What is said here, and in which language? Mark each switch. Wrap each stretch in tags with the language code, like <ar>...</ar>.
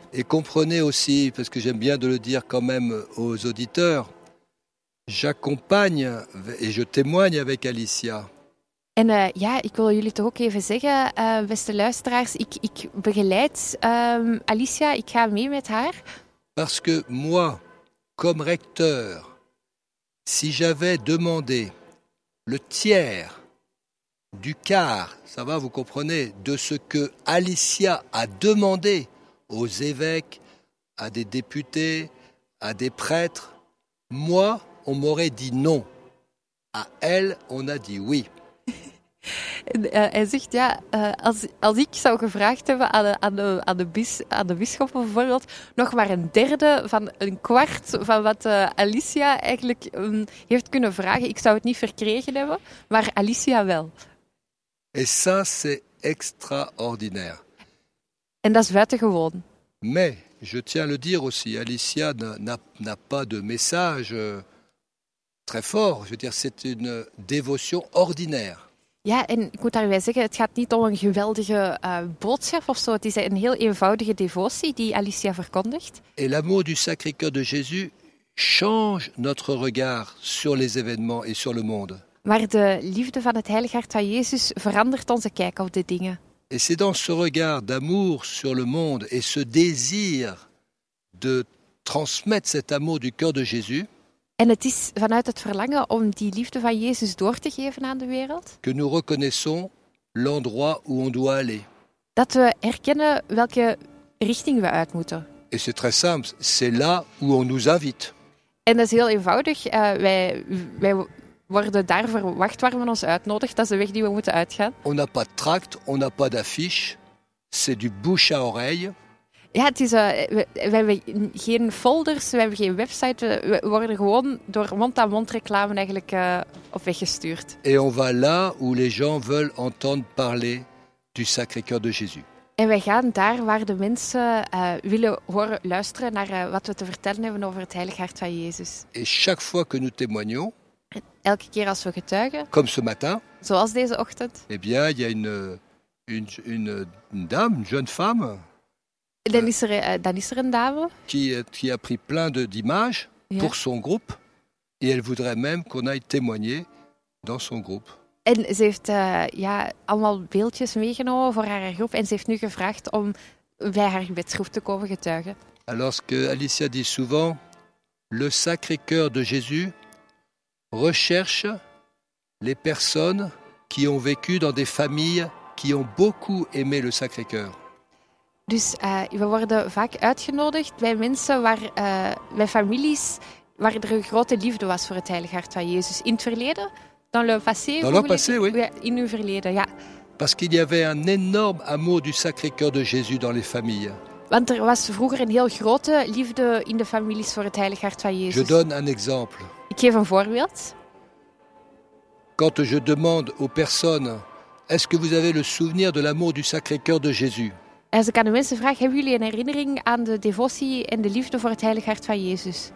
<fr>Et comprenez aussi, parce que j'aime bien de le dire quand même aux auditeurs, j'accompagne et je témoigne avec Alicia.</fr> <nl>En ja, ik wil jullie toch ook even zeggen, beste luisteraars, ik begeleid Alicia, ik ga mee met haar.</nl> <fr>Parce que moi, comme recteur, si j'avais demandé le tiers du quart, ça va, vous comprenez, de ce que Alicia a demandé aux évêques, à des députés, à des prêtres, moi, on m'aurait dit non. À elle, on a dit oui.</fr> <nl>Hij zegt, ja, als ik zou gevraagd hebben aan de bisschop bijvoorbeeld, nog maar een derde van een kwart van wat Alicia eigenlijk heeft kunnen vragen. Ik zou het niet verkregen hebben, maar Alicia wel.</nl> <fr>Et ça, c'est extraordinaire.</fr> <nl>En dat is buitengewoon.</nl> <fr>Mais, je tiens à le dire aussi, Alicia n'a pas de message très fort. Je veux dire, c'est une dévotion ordinaire.</fr> <nl>Ja, en ik moet daarbij zeggen, het gaat niet om een geweldige boodschap of zo. Het is een heel eenvoudige devotie die Alicia verkondigt.</nl> <fr>Et l'amour du Sacré-Cœur de Jésus change notre regard sur les événements et sur le monde.</fr> <nl>Maar de liefde van het Heilig Hart van Jezus verandert onze kijk op de dingen.</nl> <fr>Et c'est dans ce regard d'amour sur le monde et ce désir de transmettre cet amour du cœur de Jésus.</fr> <nl>En het is vanuit het verlangen om die liefde van Jezus door te geven aan de wereld.</nl> <fr>Que nous reconnaissons l'endroit où on doit aller.</fr> <nl>Dat we erkennen welke richting we uit moeten.</nl> <fr>Et c'est très simple, c'est là où on nous invite.</fr> <nl>En dat is heel eenvoudig. Wij worden daar verwacht waar men ons uitnodigt. Dat is de weg die we moeten uitgaan.</nl> <fr>On n'a pas de tract, on n'a pas d'affiche. C'est du bouche à oreille.</fr> <nl>Ja, het is, we hebben geen folders, we hebben geen website. We worden gewoon door mond-aan-mond reclame eigenlijk op weg gestuurd.</nl> <fr>Et on va là où les gens veulent entendre parler du Sacré-Cœur de Jésus.</fr> <nl>En wij gaan daar waar de mensen willen horen, luisteren naar wat we te vertellen hebben over het Heilig Hart van Jezus.</nl> <fr>Et chaque fois que nous témoignons,</fr> <nl>elke keer als we getuigen,</nl> <fr>comme ce matin,</fr> <nl>zoals deze ochtend,</nl> <fr>eh bien, il y a une dame, une jeune femme,</fr> <nl>dan is er een dame</nl> <fr>qui a pris plein d'images pour son groupe et elle voudrait même qu'on aille témoigner dans son groupe.</fr> <nl>En ze heeft allemaal beeldjes meegenomen voor haar groep en ze heeft nu gevraagd om bij haar gebedsgroep te komen getuigen.</nl> <fr>Alors que Alicia dit souvent, le Sacré-Cœur de Jésus recherche les personnes qui ont vécu dans des familles qui ont beaucoup aimé le Sacré-Cœur.</fr> <nl>Dus we worden vaak uitgenodigd bij mensen waar, bij families waar er een grote liefde was voor het Heilig Hart van Jezus. In het verleden,</nl> <fr>dans le passé, dans le passé, oui.</fr> <nl>In uw verleden, ja.</nl> <fr>Parce qu'il y avait un énorme amour du Sacré-Cœur de Jésus dans les familles.</fr> <nl>Want er was vroeger een heel grote liefde in de families voor het Heilig Hart van Jezus.</nl> <fr>Je donne un exemple.</fr> <nl>Ik geef een voorbeeld.</nl> <fr>Quand je demande aux personnes, est-ce que vous avez le souvenir de l'amour du Sacré-Cœur de Jésus?</fr> <nl>Als ik aan de mensen vraag, hebben jullie een herinnering aan de devotie en de liefde voor het Heilig Hart van Jezus?</nl>